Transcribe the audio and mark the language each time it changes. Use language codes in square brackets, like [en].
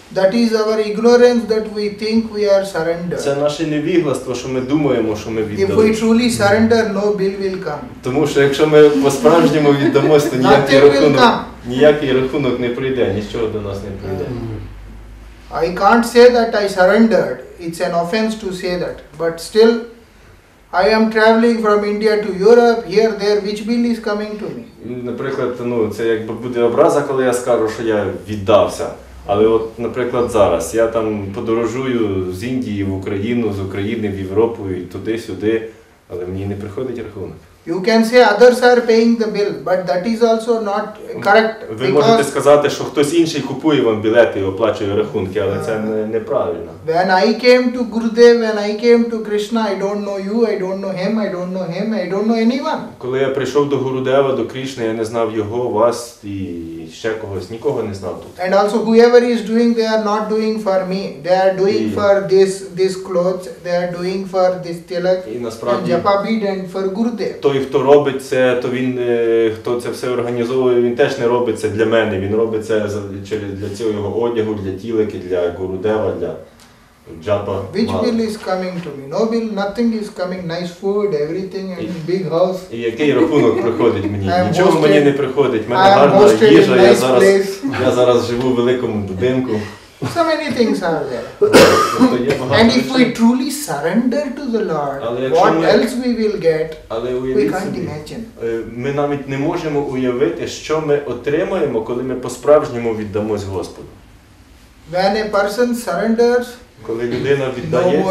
[en] That is our ignorance that we think we are surrendered. [uk] Це наше невігластво, що ми думаємо, що ми віддались. [en] If we truly surrender, no bill will come. [uk] Тому що якщо ми по-справжньому віддамось, то ніякий рахунок не прийде, нічого до нас не прийде. [en] I can't say that I surrendered. It's an offense to say that. But still, I am traveling from India to Europe, here, there, which bill is coming to me? [uk] Наприклад, ну, це якби буде образа, коли я скажу, що я віддався. Але от, наприклад, зараз, я там подорожую з Індії в Україну, з України в Європу і туди-сюди, але мені не приходить рахунок. [en] You can say others are paying the bill, but that is also not correct. [uk] Ви можете сказати, що хтось інший купує вам білети і оплачує рахунки, але це неправильно. [en] When I came to Gurudev, when I came to Krishna, I don't know you, I don't know him, I don't know him, I don't know anyone. [uk] Коли я прийшов до Гурудева, до Кришни, я не знав його, вас і ще когось, нікого не знав тут. [en] And also whoever is doing, they are not doing for me. They are doing for this clothes, they are doing for this tilak, and japa bead and for Gurudev. [uk] Той, хто робить це, то він, хто це все організовує, він теж не робить це для мене, він робить це для цього одягу, для тілики, для Гурудева, для джапа. [en] Which bill is coming to me? No bill, nothing is coming, nice food, everything, and big house. [uk] І який рахунок приходить мені? Нічого мені не приходить, в мене гарна їжа, я зараз живу в великому будинку. [en] So many things are there. And if we truly surrender to the Lord, what else we will get, we can't imagine. [uk] Ми навіть не можемо уявити, що ми отримаємо, коли ми по-справжньому віддамось Господу. [en] When a person surrenders, [uk] коли людина віддається,